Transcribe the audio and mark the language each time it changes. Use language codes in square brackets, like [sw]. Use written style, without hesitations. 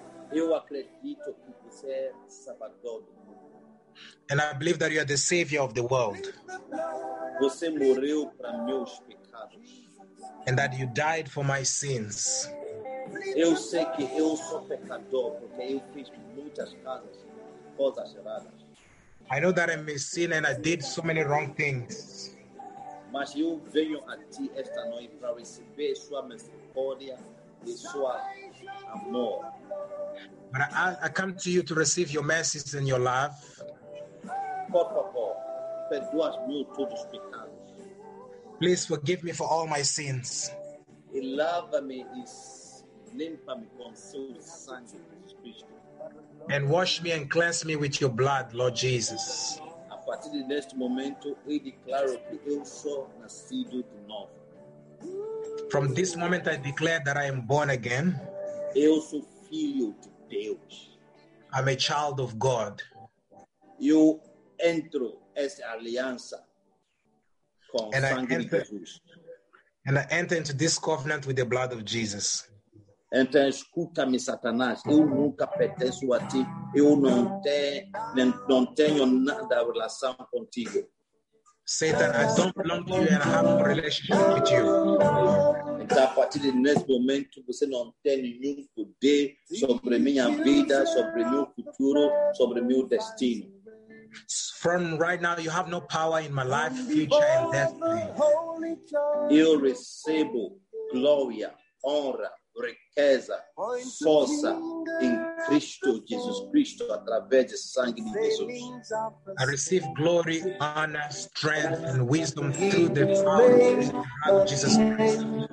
[pt] Eu acredito que você é salvador do mundo. [en] And I believe that you are the savior of the world. [pt] Você morreu para meus pecados. [en] And that you died for my sins. [pt] Eu sei que eu sou pecador porque eu fiz muitas coisas erradas. [en] I know that I'm a sinner and I did so many wrong things. [pt] Mas eu venho a ti esta noite para receber sua misericórdia e sua amor. [en] But I come to you to receive your mercies and your love. [pt] Por favor, perdoa-me todos os pecados. [en] Please forgive me for all my sins. [pt] E lava-me e limpa-me com seu sangue, Jesus Cristo. [en] And wash me and cleanse me with your blood, Lord Jesus. [pt] A partir de neste momento, eu declaro que eu sou nascido de novo. [en] From this moment, I declare that I am born again. [pt] Eu sou filho de Deus. [en] I'm a child of God. [pt] Eu entro essa aliança com o sangue de Jesus. [en] And I enter into this covenant with the blood of Jesus. [pt] Então escuta-me, Satanás. Eu nunca pertenço a ti. Eu não tenho nada de relação contigo. [en] Satan, I don't belong to you and I have no relationship with you. [pt] Então, a partir de neste momento, você não tem nenhum poder sobre minha vida, sobre meu futuro, sobre meu destino. [en] From right now, you have no power in my life, future, and destiny. [pt] Eu recebo glória, honra, riqueza, força em Cristo Jesus Cristo através do sangue de Jesus. [en] I receive glory, honor, strength and wisdom through the power of Jesus Christ.